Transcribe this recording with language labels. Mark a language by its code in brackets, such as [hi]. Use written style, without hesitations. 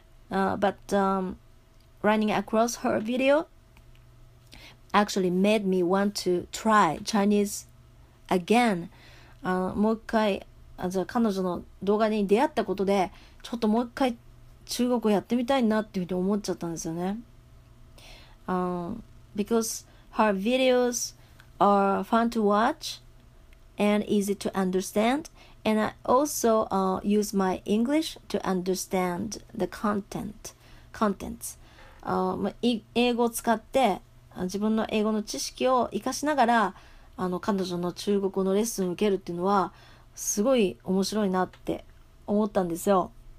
[en] But running across her video actually made me want to try Chinese again. [ja] もう一回、彼女の動画に出会ったことで、ちょっともう一回中国語やってみたいなっていうふうに思っちゃったんですよね。 [en] Because her videos are fun to watch and easy to understand, and I also use my English to understand the contents. [ja] 英語を使って自分の英語の知識を生かしながら彼女の中国語のレッスンを受けるっていうのはすごい面白いなって思ったんですよ。